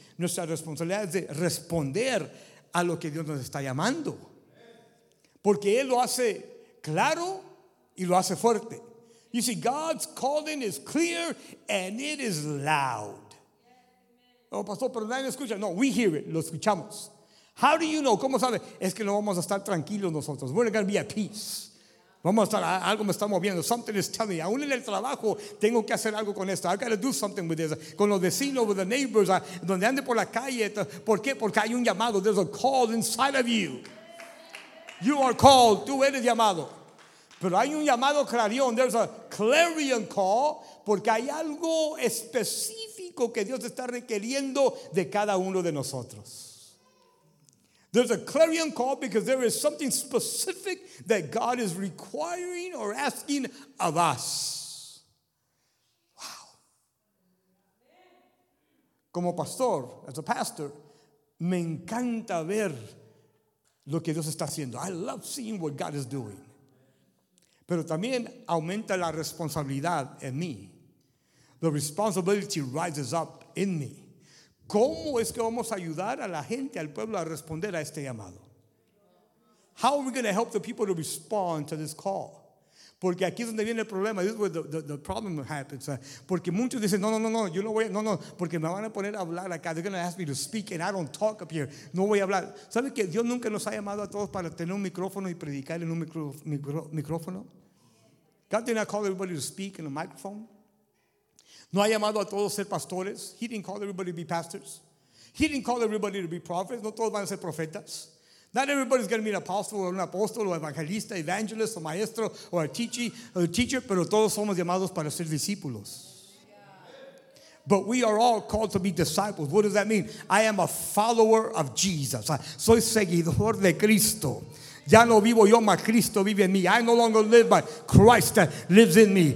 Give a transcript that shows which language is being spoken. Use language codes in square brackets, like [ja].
[es] Nuestra responsabilidad es de responder a lo que Dios nos está llamando. Porque Él lo hace claro y lo hace fuerte. [en] You see, God's calling is clear and it is loud. [es] Oh, pastor, pero nadie escucha. [en] No, we hear it. [es] Lo escuchamos. [en] How do you know? [es] ¿Cómo sabe? Es que no vamos a estar tranquilos nosotros. [en] We're not going to be at peace. [es] Vamos a estar, algo me está moviendo. [en] Something is telling me. [es] Aún en el trabajo, tengo que hacer algo con esto. [en] I've got to do something with this. [es] Con los vecinos, [en] with the neighbors, [es] donde ande por la calle. ¿Por qué? Porque hay un llamado. [en] There's a call inside of you. You are called. [es] Tú eres llamado. Pero hay un llamado clarion. [en] There's a clarion call. [es] Porque hay algo específico que Dios está requiriendo de cada uno de nosotros. [en] There's a clarion call because there is something specific that God is requiring or asking of us. Wow. [es] Como pastor, [en] as a pastor, [es] me encanta ver lo que Dios está haciendo. [en] I love seeing what God is doing. [es] Pero también aumenta la responsabilidad en mí. [en] The responsibility rises up in me. [es] ¿Cómo es que vamos a ayudar a la gente, al pueblo, a responder a este llamado? [en] How are we going to help the people to respond to this call? [es] Porque aquí es donde viene el problema. [en] This is where the problem happens. [es] Porque muchos dicen, no, yo no voy, no, porque me van a poner a hablar acá. [en] They're going to ask me to speak and I don't talk up here. [es] No voy a hablar. ¿Sabe que Dios nunca nos ha llamado a todos para tener un micrófono y predicar en un micrófono? [en] God did not call everybody to speak in a microphone. [es] No ha llamado a todos ser pastores. [en] He didn't call everybody to be pastors. He didn't call everybody to be prophets. [es] No todos van a ser profetas. [en] Not everybody's going to be an apostle or an apostle or evangelista, evangelist or maestro or a teacher, [es] pero todos somos llamados para ser discípulos. [en] But we are all called to be disciples. What does that mean? I am a follower of Jesus. [es] Soy seguidor de Cristo. Ya no vivo yo, mas Cristo vive en mí. [en] I no longer live, but Christ lives in me.